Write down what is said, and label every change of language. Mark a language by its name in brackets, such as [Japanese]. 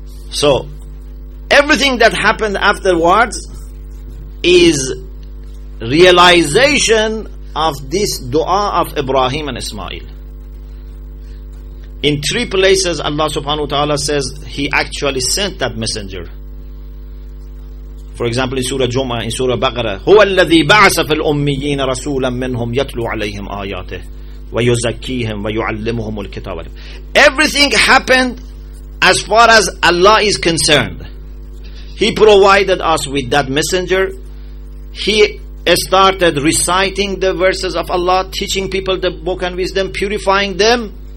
[English] So everything that happened afterwards is realization of this dua of Ibrahim and Ismail. In three places Allah subhanahu wa ta'ala says he actually sent that messenger. For example, in Surah Jumu'ah, in Surah Baqarah, [Arabic] هو الذي بعث في الأميين رسولا منهم يتلو عليهم آياته ويزكيهم ويعلمهم الكتاب. [English] Everything happened as far as Allah is concerned. He provided us with that messenger. He started reciting the verses of Allah, teaching people the book and wisdom, purifying them.